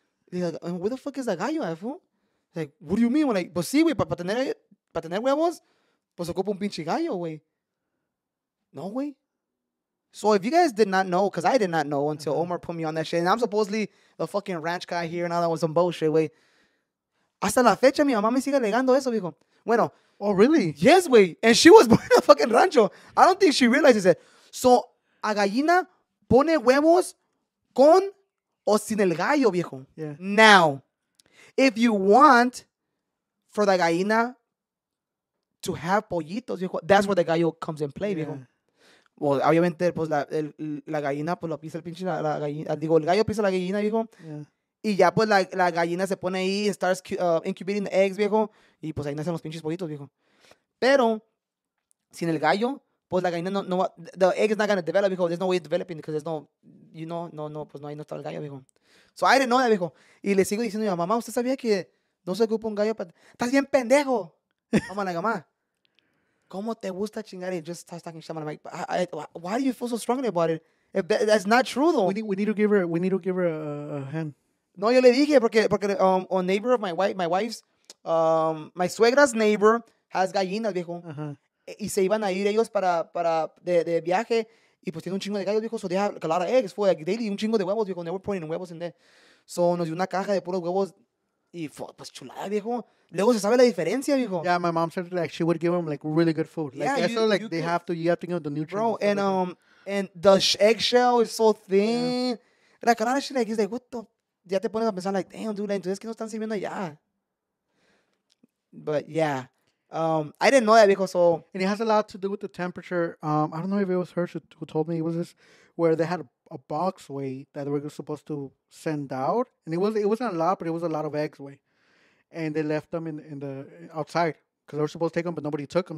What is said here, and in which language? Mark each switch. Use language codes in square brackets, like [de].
[en] He's like, where the fuck is the gallo, fool? He's like, what do you mean? We're like, [es] pues sí, güey, para tener huevos, pues ocupa un pinche gallo, güey. No, güey. [en] So if you guys did not know, because I did not know until Omar put me on that shit, and I'm supposedly the fucking ranch guy here and all that was some bullshit, wait. [es] Hasta la fecha, mi mamá me sigue alegando eso, viejo. Bueno. [en] Oh, really? Yes, wait. And she was born in a fucking rancho. I don't think she realizes it. [es] So, a gallina pone huevos con o sin el gallo, viejo. [en] Yeah. Now, if you want for the gallina to have pollitos, viejo, that's where the gallo comes in play, viejo. [es] Well, obviamente, pues, la gallina, pues, lo pisa el pinche, la gallina, digo, el gallo pisa la gallina, viejo. [en] Yeah. [es] Y ya, pues, la gallina se pone ahí [en] and starts incubating the eggs, [es] viejo. Y, pues, ahí nacen los pinches pollitos, viejo. Pero, sin el gallo, pues, la gallina no, [en] the egg is not going to develop, [es] viejo. [en] There's no way it's developing because there's no, you know, [es] pues, no, ahí no está el gallo, viejo. [en] So, I didn't know that, viejo. [es] Y le sigo diciendo, mamá, ¿usted sabía que no se ocupa un gallo para... ¡Estás bien pendejo! Vamos a la gama. ¿Cómo te gusta chingar? [en] And just starts talking shit. I'm like, why do you feel so strongly about it? If that's not true, though. We need to give her a hand. [es] No, yo le dije porque [en] a neighbor of my wife's, my suegra's neighbor has gallinas, viejo. Uh-huh. [es] Y se iban a ir ellos para de viaje. Y pues tiene un chingo de gallos, viejo. [en] So they have a lot of eggs. [es] Fue like daily, un chingo de huevos, viejo. [en] They were putting huevos in there. [es] So nos dio una caja de puros huevos. Y fue, pues chulada, viejo. Luego se sabe la diferencia, viejo. [en] Yeah, my mom said like she would give them like really good food. Like, yeah, you have to give them the nutrients. Bro, and the eggshell is so thin. Yeah. Like, a lot of shit, like, it's like, what the? [es] Ya te pones a pensar, [en] like, damn, dude, [es] entonces, ¿qué no están sirviendo allá? [en] But, yeah. I didn't know that, viejo, so. And it has a lot to do with the temperature. I don't know if it was her who told me. It was this where they had a box weight that they were supposed to send out. And it wasn't a lot, but it was a lot of eggs weight. And they left them in the outside because they were supposed to take them, but nobody took them.